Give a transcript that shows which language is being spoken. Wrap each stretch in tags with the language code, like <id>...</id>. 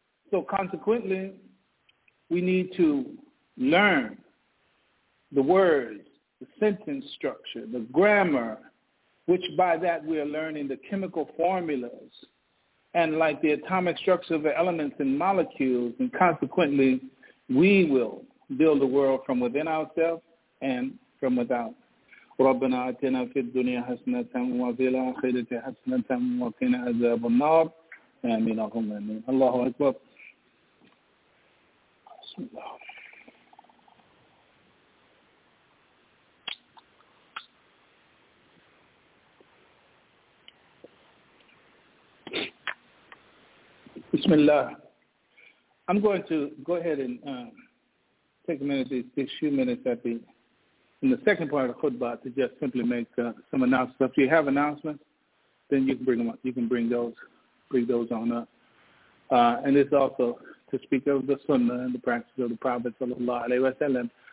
<en>So consequently, we need to learn the words, the sentence structure, the grammar, which by that we are learning the chemical formulas and like the atomic structure of the elements and molecules. And consequently, we will build a world from within ourselves and from without.</en> <ar>ربنا آتنا في الدنيا حسنة وفي الآخرة حسنة وقنا عذاب النار آمين اللهم آمين الله أكبر Bismillah.</ar> <en>I'm going to go ahead and take a minute, these few minutes at the in the second part of the khutbah to just simply make some announcements. If you have announcements, then you can bring them up. You can bring those on up. And it's also to speak of the sunnah and the practice of the Prophet sallallahu alaihi wasallam.</en>